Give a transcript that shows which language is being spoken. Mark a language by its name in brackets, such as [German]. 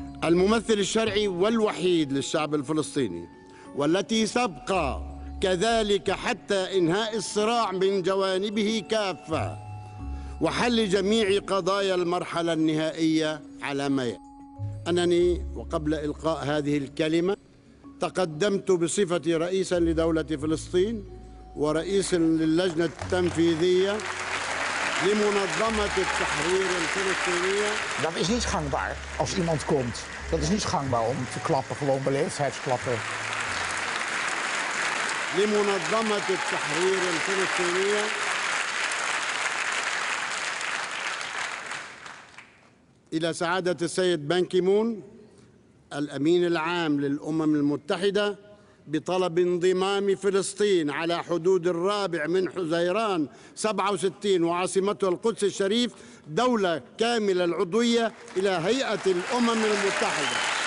[Arabic] الممثل الشرعي والوحيد للشعب الفلسطيني والتي سبق كذلك حتى إنهاء الصراع من جوانبه كافة وحل جميع قضايا المرحلة النهائية على ما يأتي أنني وقبل إلقاء هذه الكلمة تقدمت بصفة رئيسا لدولة فلسطين ورئيسا للجنة التنفيذية لمنظمه التحرير الفلسطينيه [Dutch] Dat is niet gangbaar als iemand komt. Dat is niet gangbaar om te klappen, gewoon beleefdheidsklappen. [Arabic] لمنظمة التحرير الفلسطينية. إلى سعادة السيد بان كي مون الأمين العام للأمم المتحدة بطلب انضمام فلسطين على حدود الرابع من حزيران 67 وعاصمته القدس الشريف دولة كاملة العضوية إلى هيئة الأمم المتحدة.